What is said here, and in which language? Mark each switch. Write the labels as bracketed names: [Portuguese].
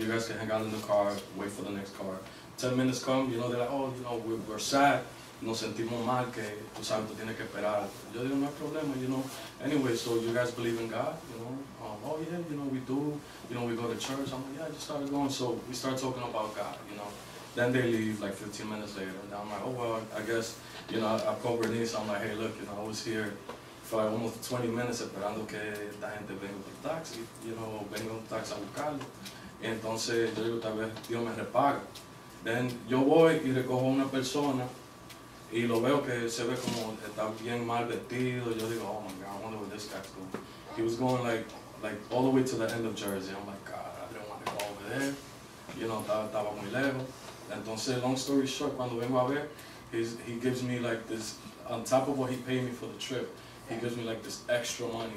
[English] You guys can hang out in the car. Wait for the next car. 10 minutes come. You know, they're like, oh, you know, we're sad. [Spanish] Nos sentimos mal que tu santo tiene que esperar. Yo digo, no hay problema, [English] you know. Anyway, so you guys believe in God, you know? Oh, yeah, you know, we do. You know, we go to church. I'm like, yeah, I just started going. So we start talking about God, you know. Then they leave like 15 minutes later. And I'm like, oh, well, I guess, you know, I called Bernice. I'm like, hey, look, you know, I was here for like almost 20 minutes [Spanish] esperando que esta gente venga por taxi. [English] You know, [Spanish] venga un taxi a buscarlo. Entonces, yo digo, tal vez Dios me repaga. Then yo voy y recojo una persona. Y lo veo que se ve como está bien mal vestido. Yo digo, [English] oh my God, I wonder what this guy's doing. He was going like all the way to the end of Jersey. I'm like, God, I didn't want to go over there. You know, [Spanish] estaba muy lejos. [English] Entonces, long story short, [Spanish] cuando vengo a ver, [English] he gives me like this, on top of what he paid me for the trip, he gives me like this extra money.